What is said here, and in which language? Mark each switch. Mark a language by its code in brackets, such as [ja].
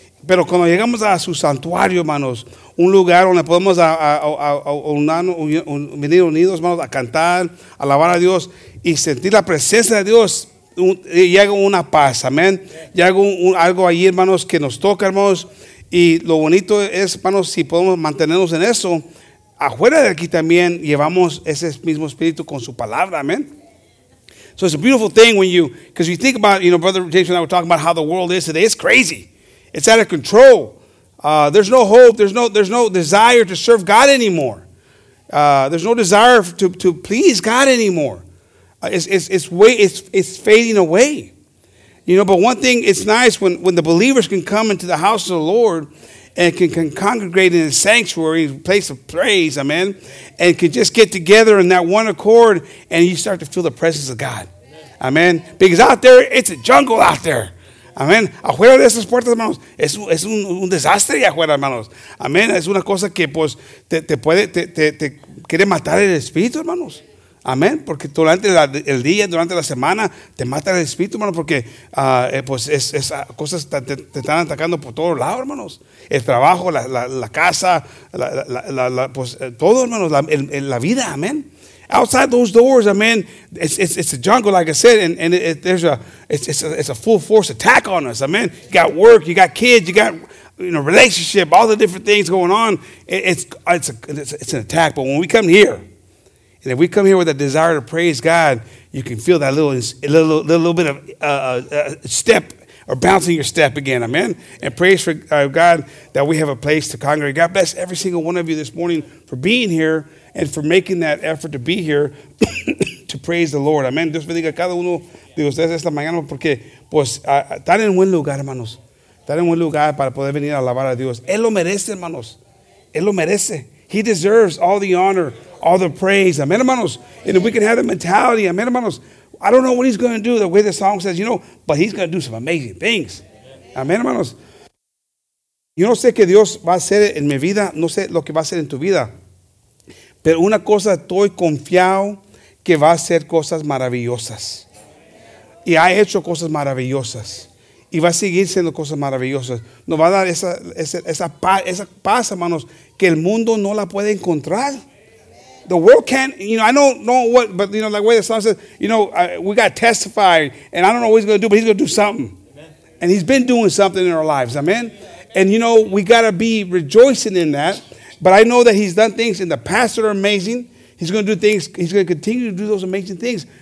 [es] Pero cuando llegamos a su santuario, hermanos, un lugar donde podemos venir unidos, hermanos, a cantar, a alabar a Dios y sentir la presencia de Dios, y hago una paz, amén. Y hago algo ahí, hermanos, que nos toca, hermanos. Y lo bonito es, hermanos, si podemos mantenernos en eso, afuera de aquí también llevamos ese mismo espíritu con su palabra, amén. [en] So it's a beautiful thing when you, because you think about, you know, Brother James and I were talking about how the world is today. It's crazy. It's out of control. There's no hope. There's no desire to serve God anymore. There's no desire to please God anymore. It's fading away, you know. But one thing, it's nice when the believers can come into the house of the Lord and can congregate in the sanctuary, place of praise, amen, and can just get together in that one accord, and you start to feel the presence of God, amen. Because out there, it's a jungle out there, amen. [es] Afuera de esas puertas, hermanos, es un desastre afuera, hermanos, amen. Es una cosa que pues te quiere matar el espíritu, hermanos. Amén, porque durante el día, durante la semana, te mata el espíritu, hermano, porque pues es cosas te están atacando por todos lados, hermanos. El trabajo, la casa, la pues todo, hermanos, la vida, amén. [en] Outside those doors, amén, it's a jungle, like I said, and it's a full force attack on us, amén. You got work, you got kids, you got, you know, relationship, all the different things going on. It's an attack. But when we come here, and if we come here with a desire to praise God, you can feel that little bit of step or bouncing your step again. Amen. And praise for God that we have a place to congregate. God bless every single one of you this morning for being here and for making that effort to be here to praise the Lord. Amen. [es] Dios bendiga a cada uno de ustedes esta mañana porque pues están en buen lugar, hermanos. Están en buen lugar para poder venir a alabar a Dios. Él lo merece, hermanos. Él lo merece. [en] He deserves all the honor, all the praise. Amen, hermanos. And if we can have the mentality, amen, hermanos. I don't know what he's going to do, the way the song says, you know, but he's going to do some amazing things. Amen, hermanos. [es] Yo no sé qué Dios va a hacer en mi vida. No sé lo que va a hacer en tu vida. Pero una cosa estoy confiado que va a hacer cosas maravillosas. Y ha hecho cosas maravillosas. Y va a seguir siendo cosas maravillosas. Nos va a dar esa paz, hermanos, que el mundo no la puede encontrar. [en] The world can't, you know, I don't know what, but, you know, like the way the song says, you know, we got to testify, and I don't know what he's going to do, but he's going to do something. Amen. And he's been doing something in our lives, amen? And, you know, we got to be rejoicing in that. But I know that he's done things in the past that are amazing. He's going to do things, he's going to continue to do those amazing things.